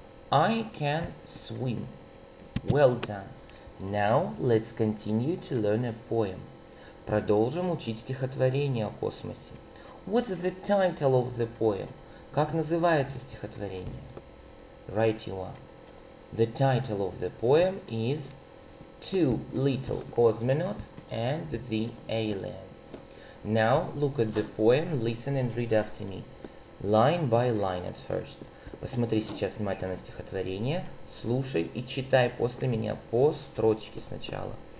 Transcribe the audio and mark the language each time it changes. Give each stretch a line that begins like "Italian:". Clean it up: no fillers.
English: I can swim. Well done. Now let's continue to learn a poem.
Russian: Продолжим учить стихотворение о космосе.
English: What's the title of the poem?
Russian: Как называется стихотворение?
English: Right you are. The title of the poem is Two Little Cosmonauts and the Alien. Now look at the poem, listen and read after me. Line by line at first.
Russian: Посмотри сейчас внимательно на стихотворение, слушай и читай после меня по строчке сначала.